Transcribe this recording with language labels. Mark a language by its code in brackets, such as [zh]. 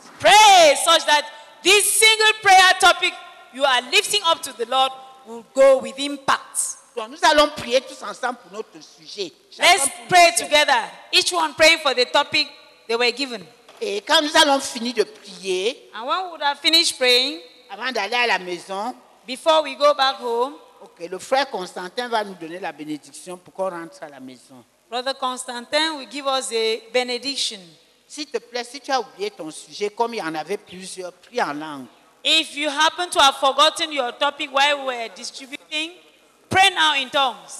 [en] Pray such that this single prayer topic you are lifting up to the Lord will go with impact. [fr] Donc nous allons prier tous ensemble pour notre sujet. [en] Let's pray together, each one praying for the topic they were given. [fr] Et quand nous allons finir de prier, [en] and when we would have finished praying, [fr] avant d'aller à la maison, [en] before we go back home, [fr] Ok, le frère Constantin va nous donner la bénédiction pour qu'on rentre à la maison. [en] Brother Constantin will give us a benediction. [fr] S'il te plaît, si tu as oublié ton sujet, comme il y en avait plusieurs, prie en langue. [en] If you happen to have forgotten your topic while we're distributing, pray now in tongues.